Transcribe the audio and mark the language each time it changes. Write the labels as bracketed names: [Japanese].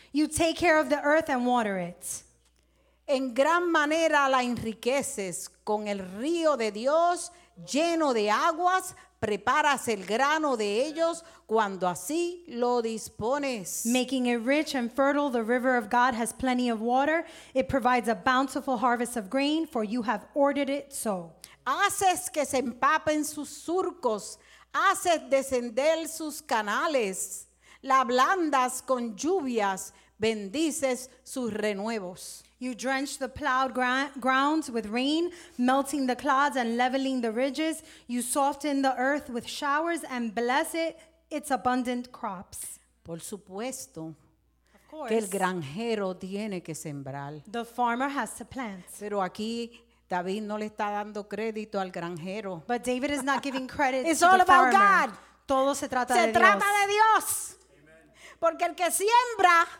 [English] You take care of the earth and water it. [Spanish] En gran manera la enriqueces con el río de Dios lleno de aguas. Preparas el grano de ellos cuando así lo dispones. [English] Making it rich and fertile, the river of God has plenty of water. It provides a bountiful harvest of grain, for you have ordered it so. [Spanish] Haces que se empapen sus surcos, haces descender sus canales, la blandas con lluvias, bendices sus renuevos. [English] You drench the plowed grounds with rain, melting the clods and leveling the ridges. You soften the earth with showers and bless it, its abundant crops. [Spanish] Por supuesto, que el granjero tiene que sembrar. [English] The farmer has to plant. [Spanish] Pero aquí David no le está dando crédito al granjero. [English] But David is not giving credit to the farmer. It's all about God. [Spanish] Todo se trata se de trata Dios. Se trata de Dios. Porque el que siembra,